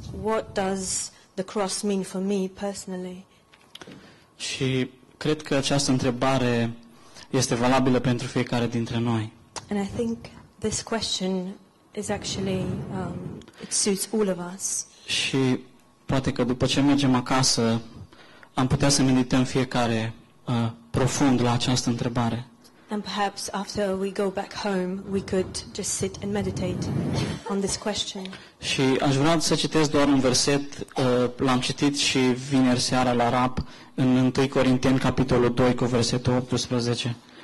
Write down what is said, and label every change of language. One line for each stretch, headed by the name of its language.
English: What does the cross mean for me personally?
Romanian: Și cred că această întrebare este valabilă pentru fiecare dintre noi.
English: And I think this question is actually it suits all of us.
Romanian: Și poate că după ce mergem acasă am putea să medităm fiecare profund la această întrebare.
English: And perhaps after we go back home we could just sit and meditate on this question.
Romanian: Și aș vrea să citesc doar un verset, l-am citit și vineri seara la RAP în 1 Corinteni capitolul 2 cu versetul 18.